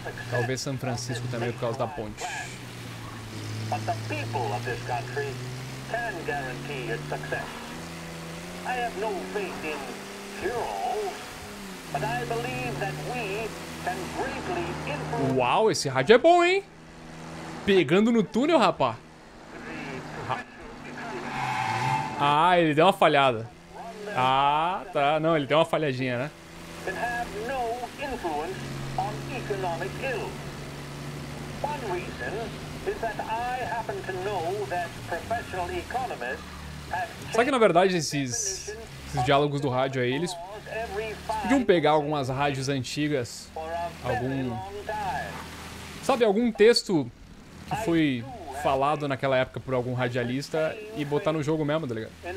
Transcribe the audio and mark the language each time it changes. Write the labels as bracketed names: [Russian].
[Portuguese] Talvez São Francisco também, por causa da ponte. [English] I have no faith in heroes, but I believe that we can greatly influence. [Portuguese] Uau, esse rádio é bom, hein? Pegando no túnel, rapá. Ah, ele deu uma falhada. Ah, tá. Não, ele deu uma falhadinha, né? [English] Can have no influence on economic ills. One reason is that I happen to know that professional economists. [Portuguese] Será que, na verdade, esses diálogos do rádio aí, eles podiam pegar algumas rádios antigas, algum... Sabe, algum texto que foi falado naquela época por algum radialista e botar no jogo mesmo, tá ligado?